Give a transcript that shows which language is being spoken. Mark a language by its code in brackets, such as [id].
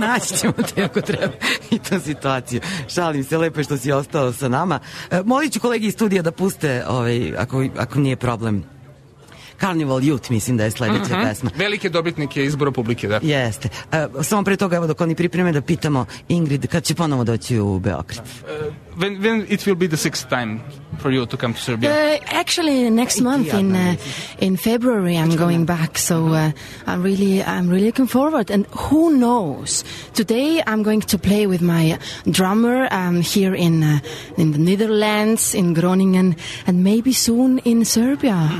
[sr] Наћемо те ако треба и ту ситуацију. Шалим се, лепо што си остало са нама. Молит ћу колеги из студија да пусте, ако није проблем, Carnival Youth, мислим да је следећа песма. Велике добитнике избора публике, да. Јесте. Само пре тога, ево, док они припреме, да питамо Ингрид, кад ће поново доћи у Београд? [en] When it will be the sixth time for you to come to Serbia? Actually, next month in February I'm going back. So I'm really looking forward. And who knows? Today I'm going to play with my drummer here in the Netherlands, in Groningen, and maybe soon in Serbia.